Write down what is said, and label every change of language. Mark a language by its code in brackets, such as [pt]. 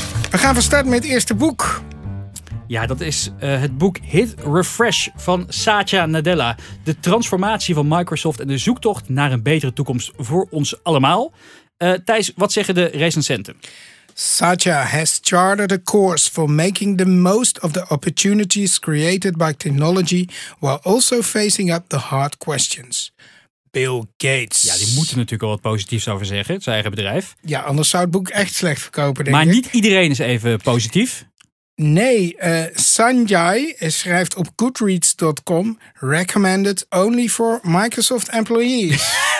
[nl] We gaan van start met het eerste boek. Ja, dat is het boek Hit Refresh van Satya Nadella. De transformatie van Microsoft en de zoektocht naar een betere toekomst voor ons allemaal. Thijs, wat zeggen de recensenten? [en] Satya has charted a course for making the most of the opportunities created by technology while also facing up the hard questions. Bill Gates. [nl] Ja, die moeten natuurlijk al wat positiefs over zeggen, zijn eigen bedrijf. Ja, anders zou het boek echt slecht verkopen, denk maar ik. Maar niet iedereen is even positief. Nee, Sanjay schrijft op Goodreads.com [en] recommended only for Microsoft employees.